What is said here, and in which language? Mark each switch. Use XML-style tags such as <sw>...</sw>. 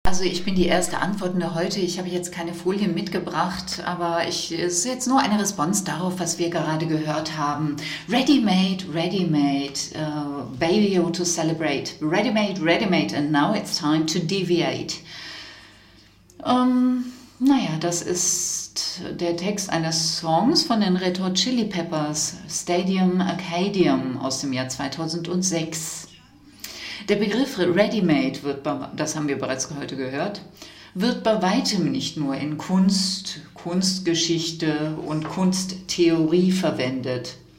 <de>Also ich bin die erste Antwortende heute. Ich habe jetzt keine Folien mitgebracht, aber es ist jetzt nur eine Response darauf, was wir gerade gehört haben.</de> <en>Ready-made, ready-made, baby to celebrate. Ready-made, ready-made, and now it's time to deviate.</en> <de>Naja, das ist der Text eines Songs von den Red Hot Chili Peppers, Stadium Arcadium aus dem Jahr 2006. Der Begriff Ready-Made wird, das haben wir bereits heute gehört, wird bei weitem nicht nur in Kunst, Kunstgeschichte und Kunsttheorie verwendet.</de>